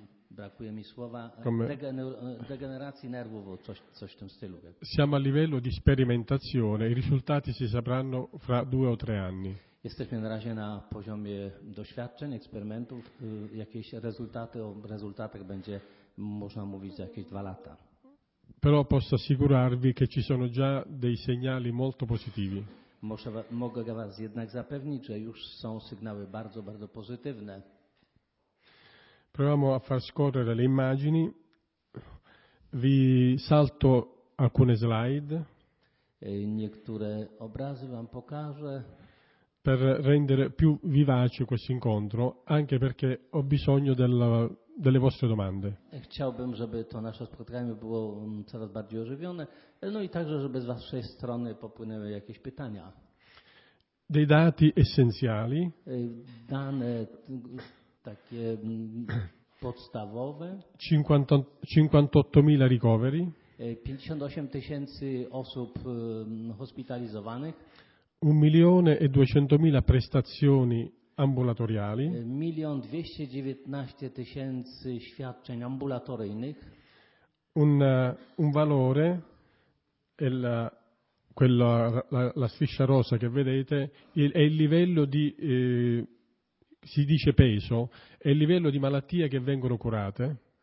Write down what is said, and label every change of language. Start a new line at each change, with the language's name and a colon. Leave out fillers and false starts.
Polish: brakuje mi słowa. Degeneracji nerwów, coś w tym stylu.
Italian: Siamo a livello di sperimentazione, i risultati si sapranno fra 2 o 3 anni.
Polish: Jesteśmy na razie na poziomie doświadczeń, eksperymentów. Jakieś rezultaty, o rezultatach będzie można mówić za jakieś 2 lata.
Italian: Però posso assicurarvi che ci sono già dei segnali molto positivi.
Polish: Mogę was jednak zapewnić, że już są sygnały bardzo, bardzo pozytywne.
Italian: Proviamo a far scorrere le immagini. Vi salto alcune slide.
Polish: Niektóre obrazy wam pokażę.
Italian: Per rendere più vivace questo incontro, anche perché ho bisogno delle vostre domande.
Polish: Chciałbym, żeby to nasze spotkanie było coraz bardziej ożywione, no i także, żeby z waszej strony popłynęły jakieś pytania.
Italian: Dei dati essenziali.
Polish: Dane takie podstawowe.
Italian: 58,000 ricoveri.
Polish: 58,000 osób hospitalizowanych.
Italian: 1,200,000 prestazioni ambulatoriali.
Polish: 1,219,000 świadczeń ambulatoryjnych.
Italian: Un valore è la, quella, la striscia rosa che vedete, è il livello di, si dice peso, è il livello di malattie che vengono curate.